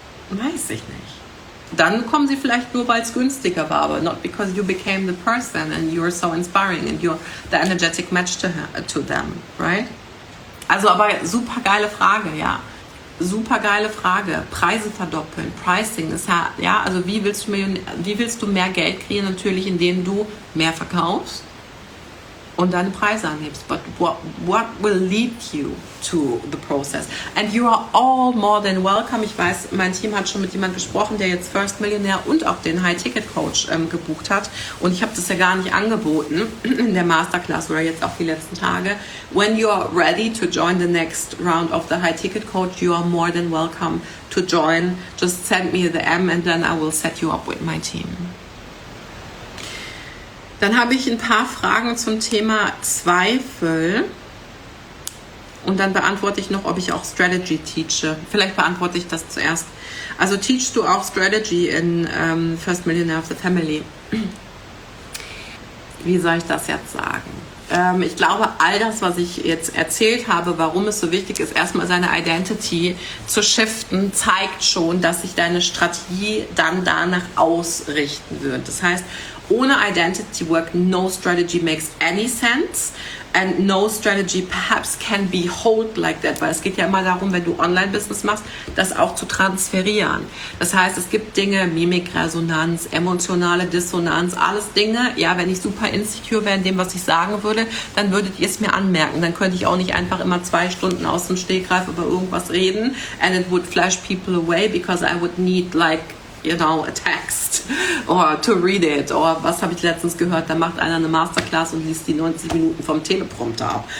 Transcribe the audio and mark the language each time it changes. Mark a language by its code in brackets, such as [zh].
[de] Weiß ich nicht. Dann kommen sie vielleicht nur, weil es günstiger war, [en] aber not because you became the person and you're so inspiring and you're the energetic match to them, right? [de] Also, aber super geile Frage, ja. Super geile Frage. Preise verdoppeln, Pricing ist ja, ja, also wie willst du mehr Geld kriegen? Natürlich, indem du mehr verkaufst und deine Preise anhebst. [en] But what will lead you to the process? And you are all more than welcome. [de] Ich weiß, mein Team hat schon mit jemandem gesprochen, der jetzt First Millionaire und auch den High-Ticket-Coach gebucht hat. Und ich habe das ja gar nicht angeboten in der Masterclass oder jetzt auch die letzten Tage. [en] When you are ready to join the next round of the High-Ticket-Coach, you are more than welcome to join. Just send me the M and then I will set you up with my team. [de] Dann habe ich ein paar Fragen zum Thema Zweifel und dann beantworte ich noch, ob ich auch Strategy teache. Vielleicht beantworte ich das zuerst. Also teachst du auch Strategy in First Millionaire of the Family? Wie soll ich das jetzt sagen? Ich glaube, all das, was ich jetzt erzählt habe, warum es so wichtig ist, erstmal seine Identity zu shiften, zeigt schon, dass sich deine Strategie dann danach ausrichten wird. Das heißt, ohne Identity Work, [en] no strategy makes any sense and no strategy perhaps can be held like that. [de] Weil es geht ja immer darum, wenn du Online-Business machst, das auch zu transferieren. Das heißt, es gibt Dinge, Mimikresonanz, emotionale Dissonanz, alles Dinge. Ja, wenn ich super insecure wäre in dem, was ich sagen würde, dann würdet ihr es mir anmerken. Dann könnte ich auch nicht einfach immer 2 Stunden aus dem Stegreif über irgendwas reden [en] and it would flash people away because I would need like, you know, a text or to read it [de] or was habe ich letztens gehört, da macht einer eine Masterclass und liest die 90 Minuten vom Teleprompter ab.